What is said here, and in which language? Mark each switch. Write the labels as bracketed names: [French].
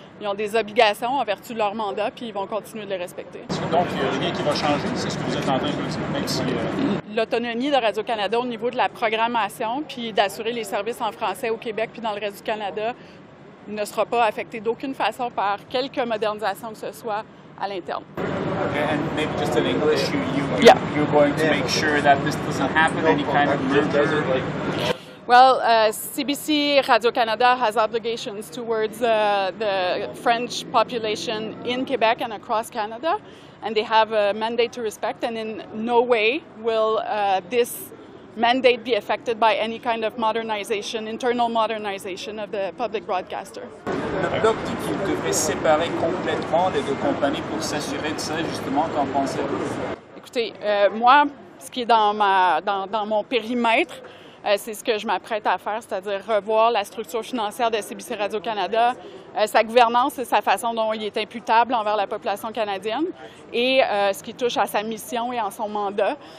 [French] Ils ont des obligations en vertu de leur mandat, puis ils vont continuer de les respecter. Donc, il n'y a rien qui va changer, c'est ce que vous êtes en train de dire, même si... L'autonomie de Radio-Canada au niveau de la programmation, puis d'assurer les services en français au Québec, puis dans le reste du Canada, ne sera pas affectée d'aucune façon par quelque modernisation que ce soit à l'interne. [English] Okay, and maybe just in English, you're going to make sure that this doesn't happen, any kind of merger? Well, CBC Radio-Canada has obligations towards the French population in Quebec and across Canada, and they have a mandate to respect, and in no way will this mandate be affected by any kind of modernization, internal modernization of the public broadcaster. [French] Le bloc dit qu'il devrait séparer complètement les deux compagnies pour s'assurer de ça, justement, qu'en pensez-vous? Écoutez, moi, ce qui est dans mon périmètre, c'est ce que je m'apprête à faire, c'est-à-dire revoir la structure financière de CBC Radio-Canada, sa gouvernance et sa façon dont il est imputable envers la population canadienne et ce qui touche à sa mission et à son mandat.